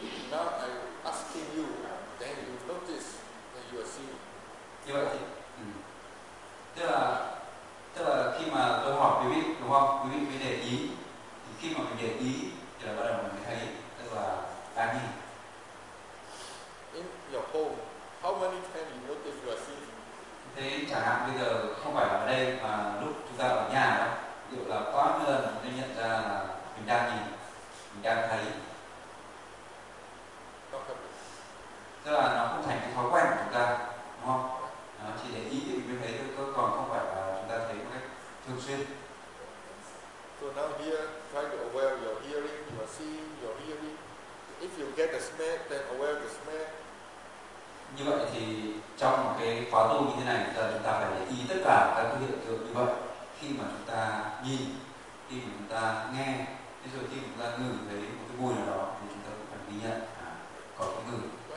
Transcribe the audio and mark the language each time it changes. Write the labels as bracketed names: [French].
[English] Now I'm asking you, then you notice that you are seeing. [Vietnamese] Như vậy thì, tức là khi mà tôi hỏi quý vị, đúng không? Quý vị mới để ý, thì khi mà mình để ý, thì là bắt đầu mình thấy, tức là đang nhìn. [English] Your home, how many times you notice you are seeing? [Vietnamese] Thế chẳng hạn bây giờ không phải ở đây mà lúc chúng ta ở nhà đó, liệu là có bao nhiêu lần mình nhận ra là mình đang nhìn, mình đang thấy? Tức là nó không thành cái thói quen của chúng ta, đúng không? Nó chỉ để ý thì mình thấy thôi, còn không phải là chúng ta thấy một cách thường xuyên. [English] So now here, try to aware your hearing, your seeing, your hearing. If you get a smell, then aware the smell. [Vietnamese] Như vậy thì trong một cái khóa tu như thế này, chúng ta phải để ý tất cả các cái hiện tượng như vậy. Khi mà chúng ta nhìn, khi mà chúng ta nghe, thế rồi khi chúng ta ngửi thấy một cái mùi nào đó, thì chúng ta cũng phải ghi nhận có cái ngửi.